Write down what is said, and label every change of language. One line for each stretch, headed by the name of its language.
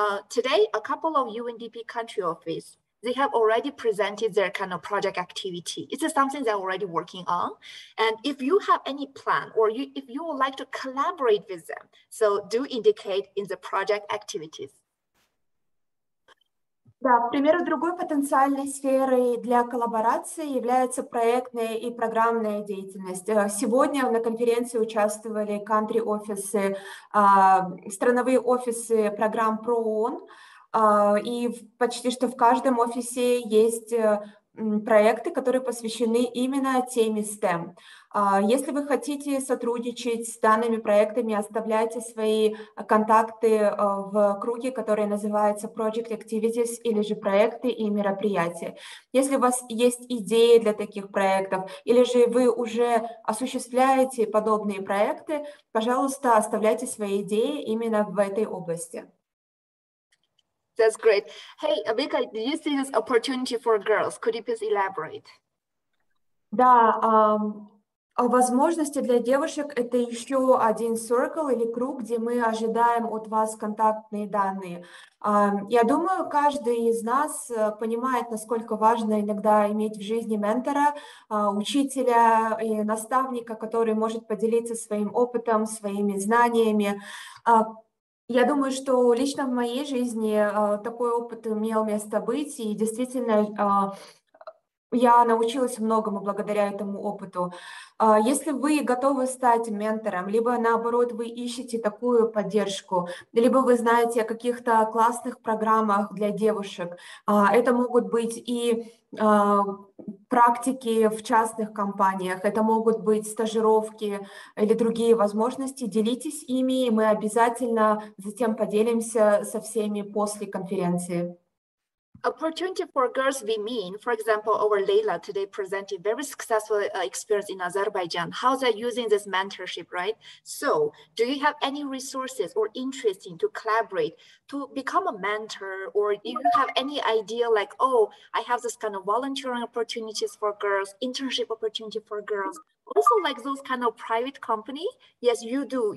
English: Today, a couple of UNDP country office, they have already presented their kind of project activity. It's just something they're already working on. And if you have any plan, or you, if you would like to collaborate with them, so do indicate in the project activities.
Russian: Да, к примеру, другой потенциальной сферой для коллаборации является проектная и программная деятельность. Сегодня на конференции участвовали country офисы, страновые офисы программ ПРООН, и почти что в каждом офисе есть проекты, которые посвящены именно теме STEM. Если вы хотите сотрудничать с данными проектами, оставляйте свои контакты в круге, который называется Project Activities или же проекты и мероприятия. Если у вас есть идеи для таких проектов, или же вы уже осуществляете подобные проекты, пожалуйста, оставляйте свои идеи именно в этой области.
English: That's great. Hey, Avika, do you see this opportunity for girls? Could you please elaborate?
Russian: Да, о возможности для девушек – это еще один circle или круг, где мы ожидаем от вас контактные данные. Я думаю, каждый из нас понимает, насколько важно иногда иметь в жизни ментора, учителя и наставника, который может поделиться своим опытом, своими знаниями. Я думаю, что лично в моей жизни такой опыт имел место быть, и действительно я научилась многому благодаря этому опыту. Если вы готовы стать ментором, либо наоборот вы ищете такую поддержку, либо вы знаете о каких-то классных программах для девушек, это могут быть и практики в частных компаниях, это могут быть стажировки или другие возможности, делитесь ими, и мы обязательно затем поделимся со всеми после конференции.
English: Opportunity for girls, we mean, for example, our Leila today presented very successful experience in Azerbaijan, how they're using this mentorship, right? So do you have any resources or interest in to collaborate, to become a mentor, or do you have any idea like, oh, I have this kind of volunteering opportunities for girls, internship opportunity for girls, also like those kind of private company? Yes, you do.